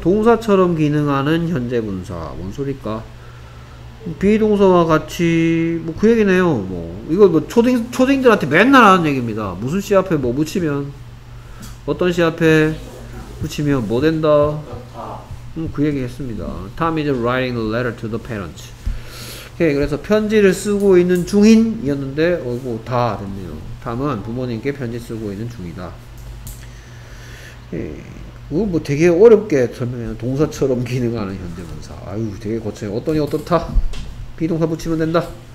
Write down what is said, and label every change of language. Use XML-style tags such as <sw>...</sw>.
<ko>동사처럼 기능하는 현재분사 뭔 소리일까? 비동사와 같이 뭐 그 얘기네요. 뭐 이거 뭐 초딩들한테 맨날 하는 얘기입니다. 무슨 씨 앞에 뭐 붙이면 어떤 씨 앞에 붙이면 뭐 된다. 그 얘기 했습니다.</ko> <en>Tom is writing a letter to the parents.</en> <ko>오케이, 그래서 편지를 쓰고 있는 중인 이었는데 어이구 다 됐네요. Tom은 부모님께 편지 쓰고 있는 중이다. 이거 뭐 되게 어렵게 설명해요. 동사처럼 기능하는 현재분사. 아유 되게 거쳐요. 어떠니 어떻다. 비동사 붙이면 된다.</ko>